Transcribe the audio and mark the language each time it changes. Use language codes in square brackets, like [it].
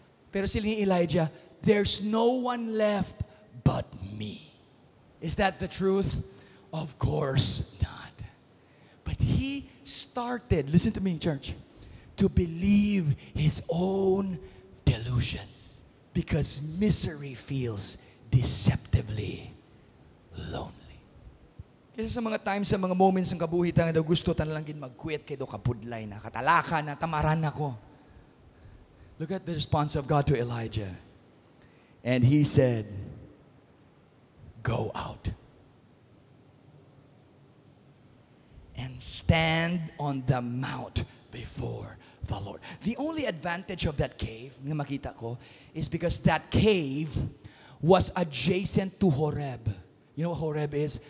[hil] Pero sila ni [en] Elijah, there's no one left but me. Is that the truth? Of course not. But he started, listen to me, church, to believe his own delusions because misery feels deceptively lonely. [hil] Kasi sa mga times, sa mga moments ng kabuhitan na gusto talagang mag-quit kaya kapudlay na, katalaka na, tamaran na ko. [en] Look at the response of God to Elijah. And he said, go out and stand on the mount before the Lord. The only advantage of that cave, [hil] na makita ko, [en] is because that cave was adjacent to Horeb. You know what Horeb is?